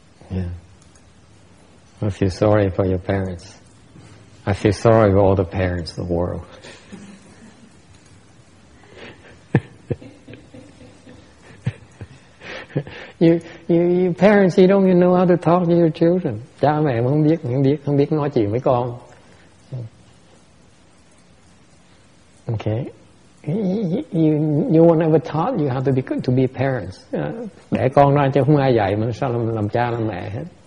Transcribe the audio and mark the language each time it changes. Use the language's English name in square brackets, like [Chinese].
[English] Yeah. I feel sorry for your parents. I feel sorry for all the parents of the world. you parents, you don't even know how to talk to your children. [Vietnamese] Cha mẹ không biết nói chuyện với con. [English] Okay, you were never taught you how to be parents. [Vietnamese] Để con ra chứ không ai dạy mình sao làm cha làm mẹ hết.